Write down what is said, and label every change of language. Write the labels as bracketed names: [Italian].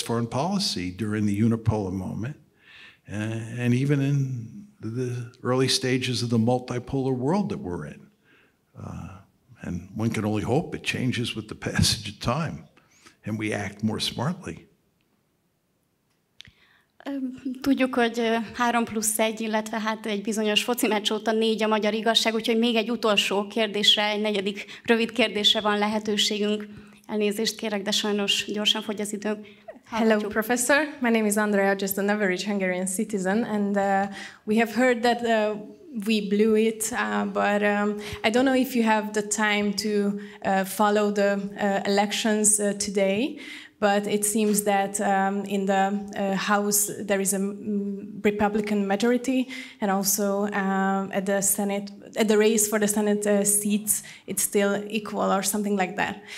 [English] foreign policy during the unipolar moment, and even in the early stages of the multipolar world that we're in. And one can only hope it changes with the passage of time and we act more smartly. [Hungarian] Tudjuk, hogy 3+1, illetve hát egy bizonyos foci meccs óta 4 a magyar igazság, úgyhogy még egy utolsó kérdésre, egy negyedik rövid kérdésre van lehetőségünk. Elnézést kérek, de sajnos gyorsan fogy az időnk. [English] Hello, professor. My name is Andrea, just an average Hungarian citizen, and we have heard that we blew it, but I don't know if you have the time to follow the elections today, but it seems that in the House there is a Republican majority, and also at the Senate, at the race for the Senate seats, it's still equal or something like that.